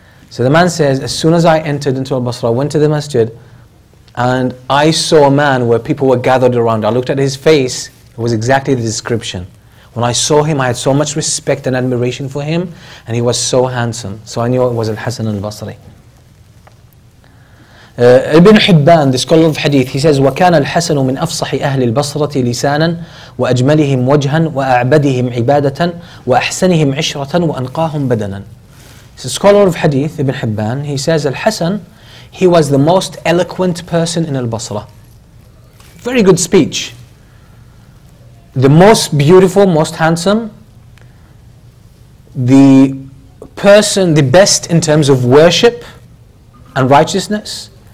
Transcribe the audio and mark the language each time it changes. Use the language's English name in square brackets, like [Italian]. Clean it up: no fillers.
[English] So the man says, as soon as I entered into al-Basra, I went to the masjid, and I saw a man where people were gathered around. I looked at his face, it was exactly the description. When I saw him, I had so much respect and admiration for him, and he was so handsome. So I knew it was al-Hasan al-Basri. Ibn Hibban, the scholar of hadith, he says, [Arabic] وَكَانَ الْحَسَنُ مِنْ أَفْصَحِ أَهْلِ الْبَصْرَةِ لِسَانًا وَأَجْمَلِهِمْ وَجْهًا وَأَعْبَدِهِمْ عِبَادَةً وَأَحْسَنِهِمْ عِشْرَةً وَأَنْقَاهُمْ بَدَنًا. [English] The scholar of hadith, Ibn Hibban, he says, al-Hasan, he was the most eloquent person in al-Basra. Very good speech. The most beautiful, most handsome, the person, the best in terms of worship and righteousness,